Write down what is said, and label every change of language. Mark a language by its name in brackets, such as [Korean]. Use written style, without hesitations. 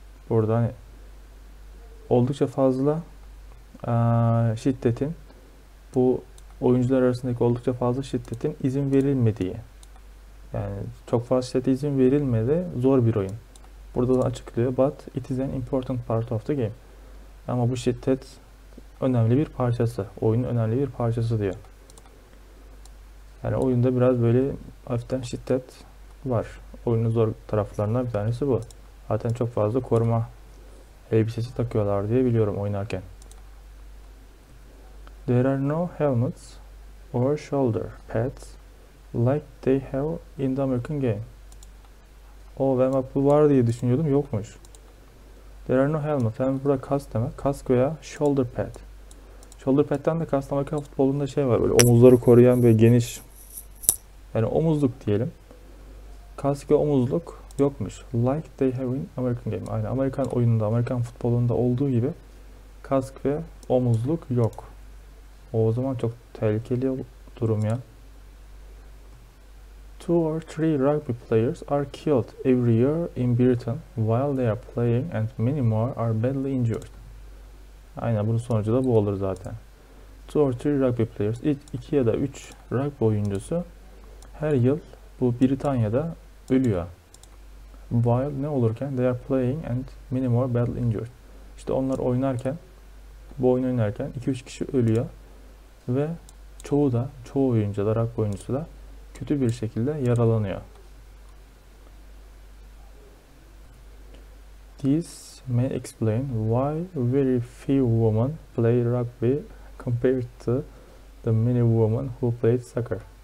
[Turkish] Burada hani oldukça fazla şiddetin bu oyuncular arasındaki oldukça fazla şiddetin izin verilmediği. Yani çok fazla şiddete izin verilmedi. Zor bir oyun. Burada da açıklıyor. [English] But it is an important part of the game. [Turkish] Ama bu şiddet önemli bir parçası. Oyunun önemli bir parçası diyor. Yani oyunda biraz böyle hafiften şiddet var. Oyunun zor taraflarından bir tanesi bu. Zaten çok fazla koruma elbisesi takıyorlar diye biliyorum oynarken. [English] There are no helmets or shoulder pads like they have in the American game. [Turkish] Oh, ben bak bu var diye düşünüyordum. Yokmuş. [English] There are no helmets. [Turkish] Hem burada kask demek. Kask veya shoulder pad. Shoulder pad'den de kastım Amerika futbolunda şey var böyle omuzları koruyan böyle geniş yani omuzluk diyelim. Kask ve omuzluk yokmuş. [English] Like they have in American game. [Turkish] Aynı Amerikan oyununda, Amerikan futbolunda olduğu gibi kask ve omuzluk yok. O zaman çok tehlikeli durum ya. [English] Two or three rugby players are killed every year in Britain while they are playing and many more are badly injured. [Turkish] Aynen bunun sonucu da bu olur zaten. [English] Two or three rugby players. [Turkish] 2 ya da 3 rugby oyuncusu her yıl bu Britanya'da ölüyor. [English] While [Turkish] ne olurken [English] they are playing and many more badly injured. [Turkish] İşte onlar oynarken bu oyun oynarken 2-3 kişi ölüyor. Ve çoğu oyuncu da rugby oyuncusu da kötü bir şekilde yaralanıyor. [English] This may explain why very few women play rugby compared to the many women who played soccer.